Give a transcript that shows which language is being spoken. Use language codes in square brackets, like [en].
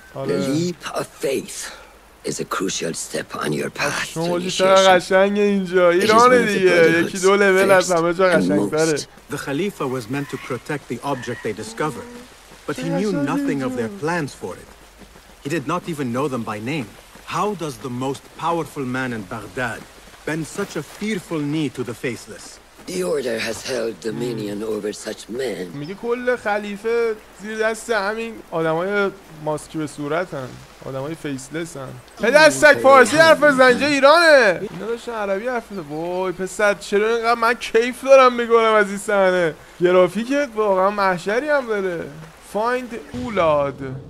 [en] The leap of faith is a crucial step on your path. [fa] شما چرا قشنگ اینجا؟ ایران دیگه یکی دو لول از همه جا قشنگ داره. [en] The Khalifa was meant to protect the object they discovered, but he knew nothing of their plans for it. He did not even know them by name. How does the most powerful man in Baghdad bend such a fearful knee to the faceless? The order has held dominion over such men. [fa] میگه کل خلیفه زیر دست همین آدمای ماسکی به صورتن، آدمای فیسلسن. پدرسک فارسی حرف بزن، چه ایرانه. اینا داشتن عربی حرف میزدن. وای پسر چرا اینقدر من کیف دارم میگم از این صحنه. گرافیکت واقعا محشری هم داره. Find فولاد.